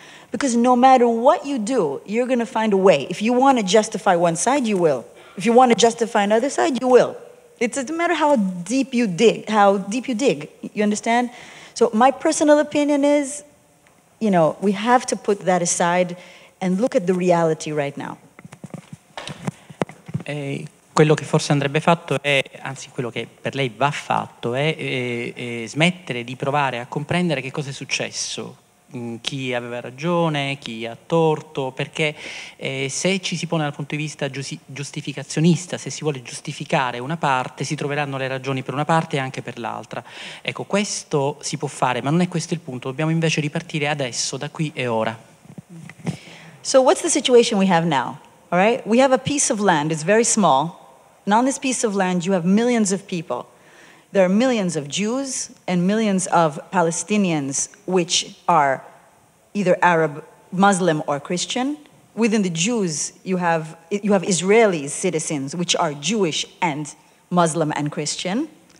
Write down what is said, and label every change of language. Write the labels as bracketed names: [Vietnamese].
[English] Because no matter what you do, you're going to find a way. If you want to justify one side, you will. If you want to justify another side, you will. It doesn't matter how deep you dig, you understand? So my personal opinion is, you know, we have to put that aside and look at the reality right now. [Italian] Quello che forse andrebbe fatto è, anzi quello che per lei va fatto, è smettere di provare a comprendere che cosa è successo. Chi aveva ragione, chi ha torto, perché se ci si pone dal punto di vista giustificazionista, se si vuole giustificare una parte, si troveranno le ragioni per una parte e anche per l'altra. Ecco, questo si può fare, ma non è questo il punto, dobbiamo invece ripartire adesso, da qui e ora. [English] So what's the situation we have now? All right? We have a piece of land, it's very small, and on this piece of land you have millions of people. There are millions of Jews and millions of Palestinians, which are either Arab, Muslim, or Christian. Within the Jews, you have Israeli citizens, which are Jewish and Muslim and Christian.